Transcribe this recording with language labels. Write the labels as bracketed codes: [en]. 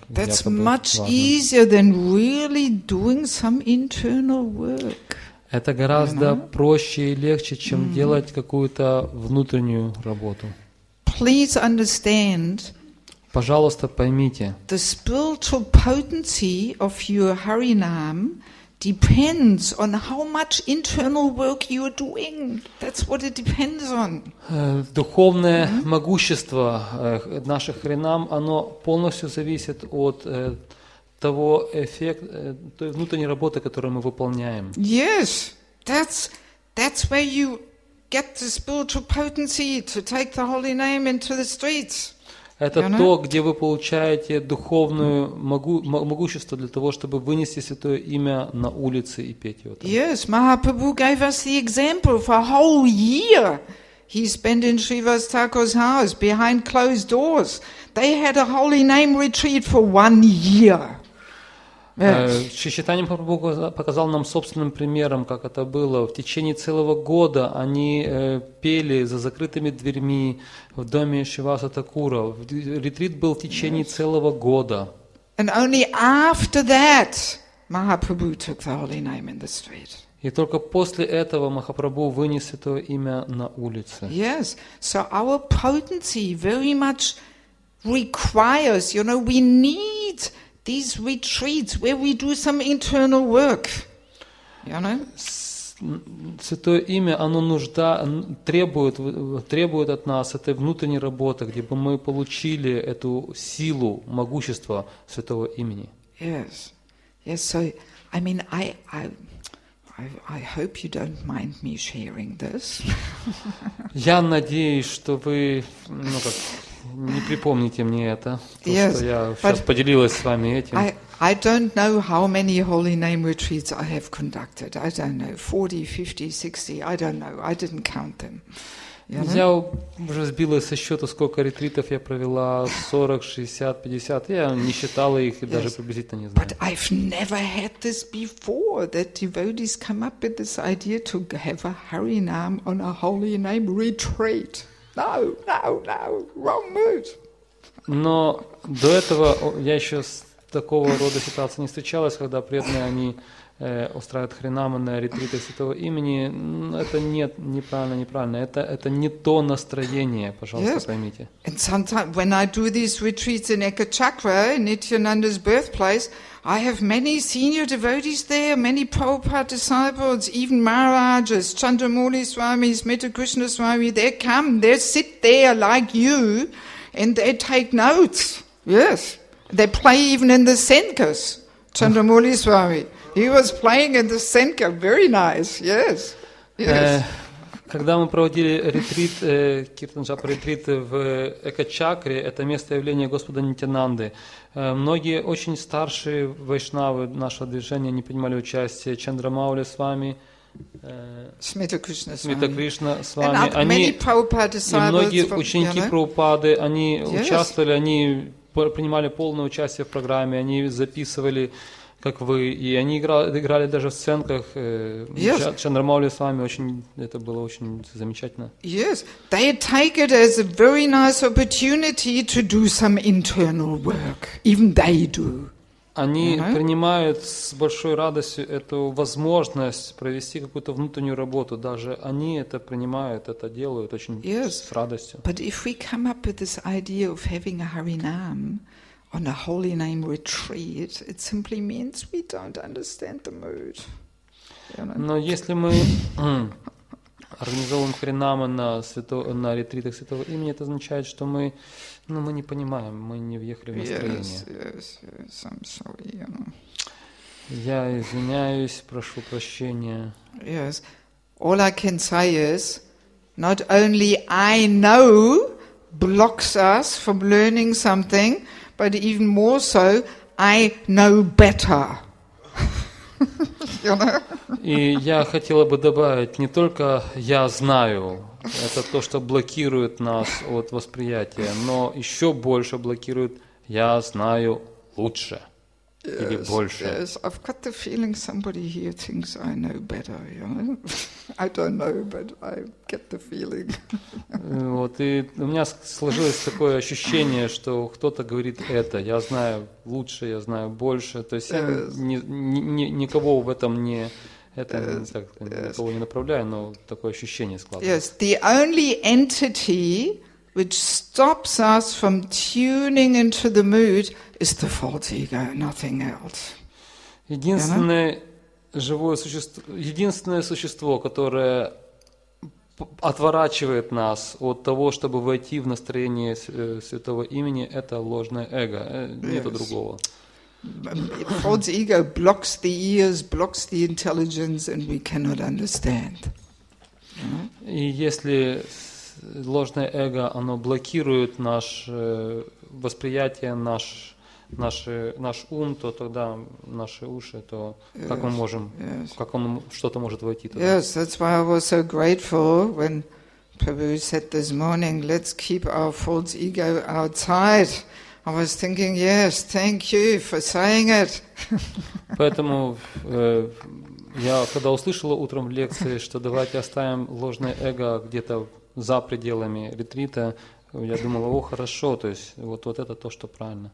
[en] That's much easier than really doing some internal work. [ru] Это гораздо проще и легче, чем делать какую-то внутреннюю работу. [en] Please understand. [ru] Пожалуйста, поймите. [en] The spiritual potency of your Харинам depends on how much internal work you are doing. That's what it depends on. [ru] Духовное могущество наших Харинам, оно полностью зависит от того эффекта, той внутренней работы, которую мы выполняем. [en] Yes, that's where you get the spiritual potency to take the holy name into the streets. [ru] Это то, где вы получаете духовную могущество для того, чтобы вынести Святое Имя на улицы и петь его там. [en] Yes, Mahaprabhu gave us the example for a whole year. He spent in Shiva's Thakur's house behind closed doors. They had a holy name retreat for 1 year. [ru] Шри Чайтанья Махапрабху показал нам собственным примером, как это было. В течение целого года они пели за закрытыми дверьми в доме Шриваса Такура. Ретрит был в течение целого года. [en] And only after that Mahaprabhu took the holy name in the street. [ru] И только после этого Махапрабху вынес это имя на улицу. [en] Yes, so our potency very much requires, you know, we need these retreats where we do some internal work. You know? [ru] Святое имя, оно нужда требует от нас этой внутренней работы, где бы мы получили эту силу, могущество Святого имени. [en] Yes. Yes, so I mean I hope you don't mind me sharing this. [ru] Я надеюсь, что вы, ну как, не припомните мне это, что я сейчас поделилась с вами этим. [en] I don't know how many holy name retreats I have conducted. I don't know, 40, 50, 60, I don't know. I didn't count them. [ru] Я уже сбилась со счета, сколько ретритов я провела, 40, 60, 50. Я не считала их и даже приблизительно не знаю. [en] But I've never had this before, that devotees come up with this idea to have a harinam on a holy name retreat. No, wrong mood. [ru] Но до этого я еще с такого рода ситуацией не встречалась, когда преданные они устраивают харинамы на ретриты Святого Имени. Это нет, неправильно. Это не то настроение, пожалуйста, поймите. [en] And sometimes when I do these retreats in Ekachakra, Nityananda's birthplace, I have many senior devotees there, many Prabhupada disciples, even Maharajas, Chandramouli Swamis, Metakrishna Swami, they come, they sit there like you, and they take notes. Yes. They play even in the Senkas, Chandramouli Swami. He was playing in the Senka, very nice, yes. [ru] Когда мы проводили ретрит, Киртанджапа ретрит в Экачакре, это место явления Господа Нитянанды, многие очень старшие вайшнавы нашего движения не принимали участие, Чандрамаули с вами, Смита-Кришна с вами, они, и многие ученики Прабхупады, они участвовали, они принимали полное участие в программе, они записывали, как вы, и они играли даже в сценках. Чандрамаули с вами, это было очень замечательно. [en] Yes, they take it as a very nice opportunity to do some internal work. Even they do. [ru] Они принимают с большой радостью эту возможность провести какую-то внутреннюю работу. Даже они это принимают, это делают очень с радостью. [en] But if we come up with this idea of having a Harinam on a holy name retreat, it simply means we don't understand the mood. [ru] Но если мы организовываем харинамы на ретритах Святого Имени, это означает, что мы не понимаем, мы не въехали в настроение. [en] Yes, I'm sorry, you know. [ru] Я извиняюсь, прошу прощения. [en] Yes, all I can say is, not only I know blocks us from learning something, but even more so, I know better. You know? [ru] И я хотела бы добавить, не только я знаю, это то, что блокирует нас от восприятия, но еще больше блокирует, я знаю лучше или больше. [en] Yes, I've got the feeling somebody here thinks I know better. You know? I don't know, but I get the feeling. [ru] Вот, и у меня сложилось такое ощущение, что кто-то говорит это. Я знаю лучше, я знаю больше. То есть я никого в этом не, это, так, никого не направляю, но такое ощущение складывается. [en] Yes, the only entity which stops us from tuning into the mood is the false ego, nothing else. [ru] Единственное существо, которое отворачивает нас от того, чтобы войти в настроение Святого Имени, это ложное эго, нету другого. [en] False ego blocks the ears, blocks the intelligence, and we cannot understand. [ru] И если ложное эго, оно блокирует наше восприятие, наш ум, то тогда наши уши, то как мы можем, как он что-то может войти туда. [en] Yes, that's why I was so grateful when Prabhu said this morning, let's keep our false ego outside. I was thinking, yes, thank you for saying it. [ru] Поэтому я когда услышала утром лекции, что давайте оставим ложное эго где-то за пределами ретрита, я думала, о, хорошо, то есть вот это то, что правильно.